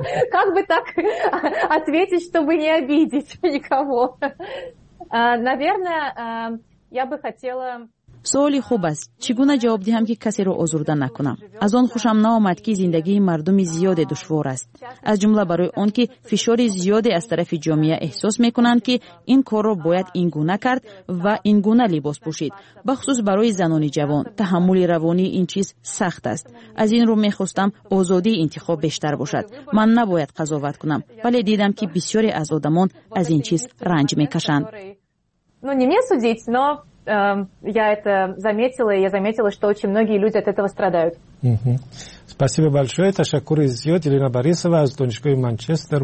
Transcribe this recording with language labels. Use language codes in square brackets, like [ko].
[ru] Как бы так ответить, чтобы не обидеть никого? Наверное, я бы хотела... [tg] Суоли хуб аст. Чи гуна ҷавоб диҳам, ки касеро озурда накунам? Аз он хушам наомад, ки зиндагии мардуми зиёде душвор аст. Аз ҷумла барои он, ки фишори зиёде аз тарафи ҷомеа эҳсос мекунанд, ки ин корро бояд ин гуна кард ва ин гуна либос пушид. Ба хусус барои занони ҷавон, таҳаммули равонии ин чиз сахт аст. Аз ин рӯ мехостам озодии интихоб бештар бошад. Ман набояд қазоват кунам, вале дидам, ки бисёре аз одамон аз ин чиз ранҷ мекашанд. [ru] Ну, не мне судить, но я это заметила, и я заметила, что очень многие люди от этого страдают. Спасибо большое. Ташаккур изъёт Елена Борисова из Донецкой Манчестер.